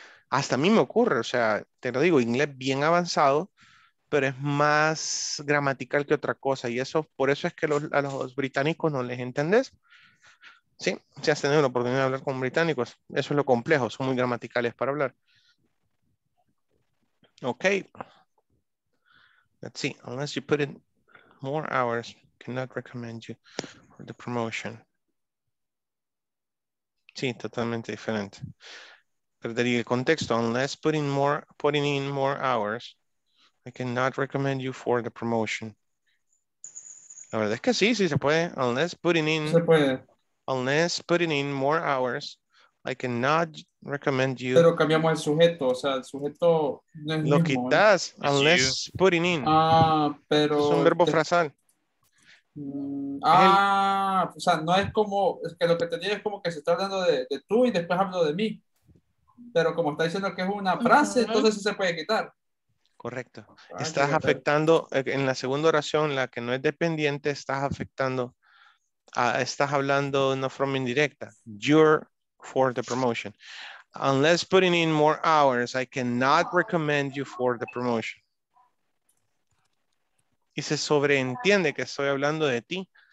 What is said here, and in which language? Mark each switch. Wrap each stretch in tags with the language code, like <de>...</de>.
<es>Hasta a mí me ocurre, o sea, te lo digo, inglés bien avanzado, pero es más gramatical que otra cosa, y eso, por eso es que a los británicos no les entendés. Sí, si has tenido la oportunidad de hablar con británicos, eso es lo complejo, son muy gramaticales para hablar. Ok.</es> <en>Let's see, unless you put in more hours, cannot recommend you for the promotion.</en> <es>Sí, totalmente diferente. Perdería el contexto,</es> <en>unless putting in more hours, I cannot recommend you for the promotion.</en> <es>La verdad es que sí, sí se puede,</es> <en>unless putting in more hours, I cannot recommend you.</en> <es>Pero cambiamos el sujeto, o sea, el sujeto no es lo que das,</es> <en>unless putting in.</en> <es>Ah, pero es un verbo frasal. O sea, no es como, es que lo que te digo es como que se está hablando de tú y después hablo de mí. Pero como está diciendo que es una frase, entonces sí se puede quitar. Correcto. Estás afectando, en la segunda oración, la que no es dependiente, estás afectando, estás hablando de una forma indirecta.</es> <en>You're for the promotion. Unless putting in more hours, I cannot recommend you for the promotion.</en> <es>Y se sobreentiende que estoy hablando de ti.</es>